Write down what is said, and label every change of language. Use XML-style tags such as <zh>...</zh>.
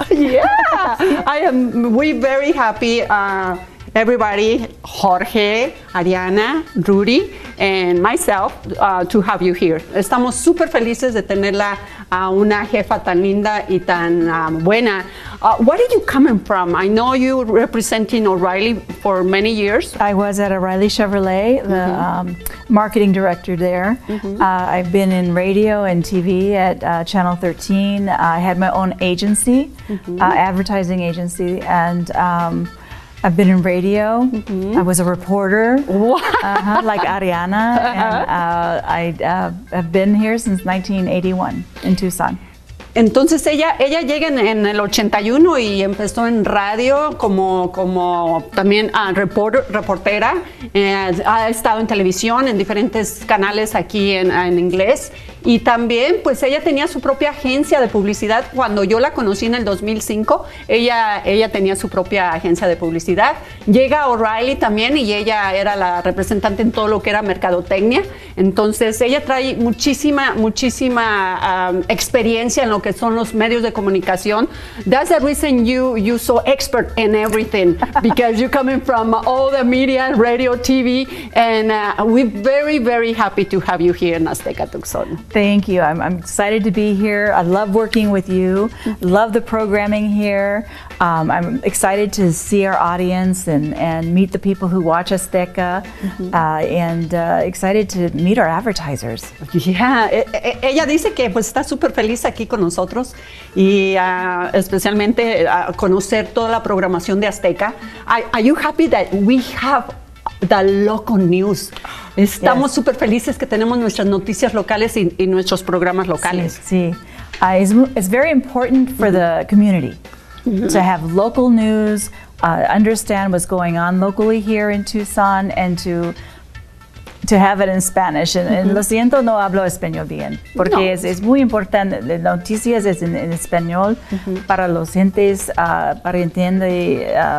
<en>Yeah, we very happy, everybody, Jorge, Ariana, Rudy, and myself, to have you here.</en> <es>Estamos super felices de tenerla a una jefa tan linda y tan buena.</es> <en>Where are you coming from? I know you were representing O'Reilly for many years. I was at O'Reilly Chevrolet, the marketing director there. I've been in radio and TV at Channel 13. I had my own agency, advertising agency, and I've been in radio. I was a reporter, like Ariana. I have been here since 1981 in Tucson.</en> <es>Entonces ella llega en el 81 y empezó en radio como también reportera. Ha estado en televisión en diferentes canales aquí en inglés. Y también, pues ella tenía su propia agencia de publicidad. Cuando yo la conocí en el 2005, ella tenía su propia agencia de publicidad. Llega O'Reilly también y ella era la representante en todo lo que era mercadotecnia. Entonces, ella trae muchísima experiencia en lo que son los medios de comunicación.</es> <en>That's the reason you so expert in everything, because you're coming from all the media, radio, TV, and we're very, very happy to have you here in Azteca Tucson. Thank you. I'm excited to be here. I love working with you. Love the programming here. I'm excited to see our audience and meet the people who watch Azteca, and excited to meet our advertisers. Yeah.</en> <es>Ella dice que pues está super feliz aquí con nosotros y especialmente conocer toda la programación de Azteca.</es> <en>Are you happy that we have the local news?</en> <es>Estamos súper felices que tenemos nuestras noticias locales y nuestros programas locales. Sí.</es> <en>It's very important for the community to have local news, understand what's going on locally here in Tucson, and to have it in Spanish.</en> <es>And lo siento, no hablo español bien. Porque no. es muy importante. Las noticias es en español para los gentes, para entender</es>